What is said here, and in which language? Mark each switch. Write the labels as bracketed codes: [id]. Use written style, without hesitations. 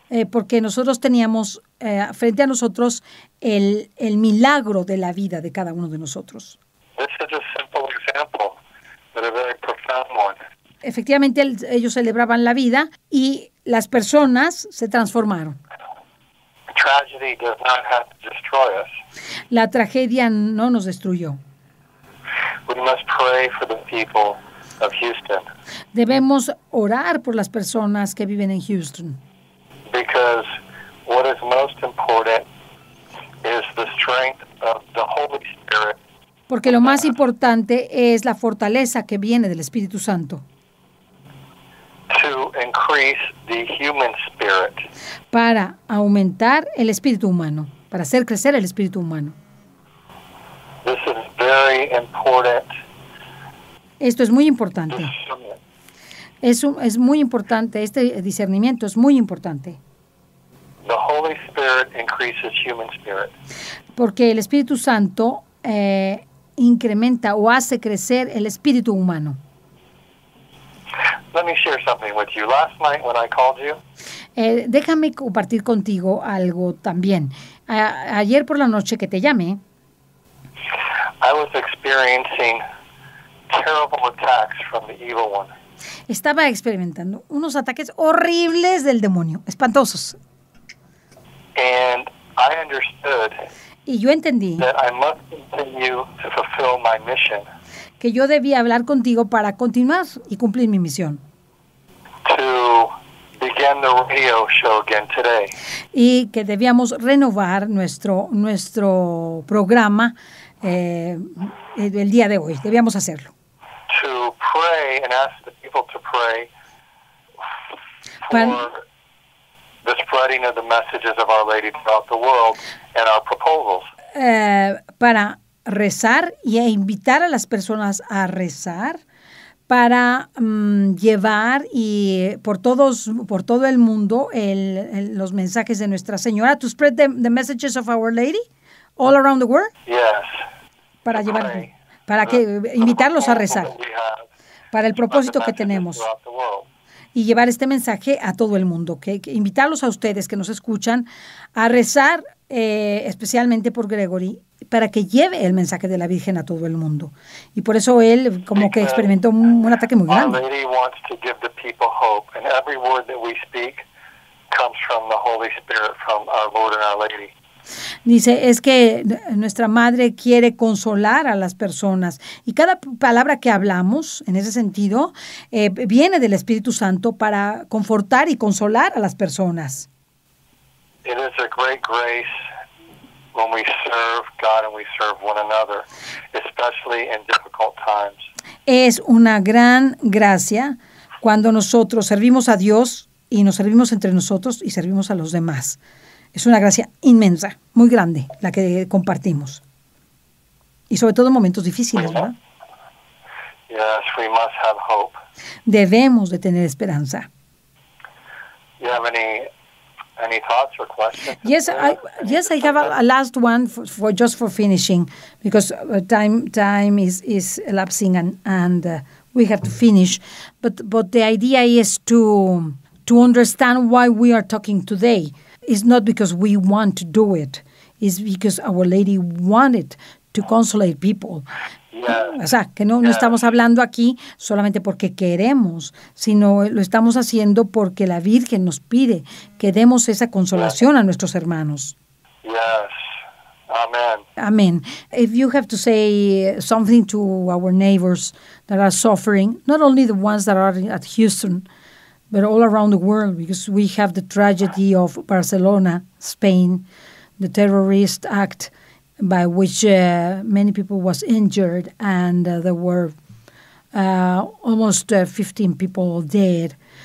[es] Porque nosotros teníamos frente a nosotros el milagro de la vida de cada uno de nosotros. [en] This is a simple example, but a very profound one. [es] Efectivamente, ellos celebraban la vida y las personas se transformaron. [en] Tragedy does not have to destroy us. [es] La tragedia no nos destruyó. [en] We must pray for the people of Houston. [es] Debemos orar por las personas que viven en Houston. [en] Because what is most important is the strength of the Holy Spirit. [es] Porque lo más importante es la fortaleza que viene del Espíritu Santo. [en] To increase the human spirit. [es] Para aumentar el espíritu humano, para hacer crecer el espíritu humano. [en] This is very important. [es] Esto es muy importante. Es muy importante, este discernimiento es muy importante. [en] The Holy Spirit increases human spirit. [es] Porque el Espíritu Santo incrementa o hace crecer el espíritu humano. [en] Let me share something with you. Last night when I called you. [es] Déjame compartir contigo algo también. Ayer por la noche que te llamé. [en] I was experiencing terrible attacks from the evil one. [es] Estaba experimentando unos ataques horribles del demonio, espantosos. [en] And I understood. [es] Y yo entendí [en] that I must continue to fulfill my mission. [es] Que yo debía hablar contigo para continuar y cumplir mi misión. [en] To begin the radio show again today. [es] Y que debíamos renovar nuestro programa el día de hoy. Debíamos hacerlo. [en] To pray and ask the people to pray for the spreading of the messages of Our Lady throughout the world and our proposals. [es] Para rezar y invitar a las personas a rezar para llevar y por todo el mundo los mensajes de Nuestra Señora. [en] To spread the messages of Our Lady all around the world. Yes. [es] Para llevar, para que invitarlos a rezar, para el propósito que tenemos, y llevar este mensaje a todo el mundo, que invitarlos a ustedes que nos escuchan a rezar, especialmente por Gregory, para que lleve el mensaje de la Virgen a todo el mundo. Y por eso él como que experimentó un ataque muy grande. [en] Our Lady wants to give the people hope, and every word that we speak comes from the Holy Spirit, from our Lord and our Lady. [es] Dice, es que nuestra madre quiere consolar a las personas. Y cada palabra que hablamos, en ese sentido, viene del Espíritu Santo para confortar y consolar a las personas. [en] It is a great grace when we serve God and we serve one another, especially in difficult times. [es] Es una gran gracia cuando nosotros servimos a Dios y nos servimos entre nosotros y servimos a los demás. Es una gracia inmensa, muy grande, la que compartimos. Y sobre todo en momentos difíciles, ¿verdad? [en] Yes, we must have hope. [es] Debemos de tener esperanza. [en] You have any thoughts or questions? Yes, I have a last one for just for finishing, because time is elapsing and we have to finish. But the idea is to understand why we are talking today. It's not because we want to do it. It's because Our Lady wanted to consolate people. Yes. [es] O sea, que no estamos hablando aquí solamente porque queremos, sino lo estamos haciendo porque la Virgen nos pide que demos esa consolación a nuestros hermanos. [en] Yes. Amen. Amen. If you have to say something to our neighbors that are suffering, not only the ones that are at Houston, but all around the world, because we have the tragedy of Barcelona, Spain, the terrorist act by which many people was injured, and there were almost 15 people dead.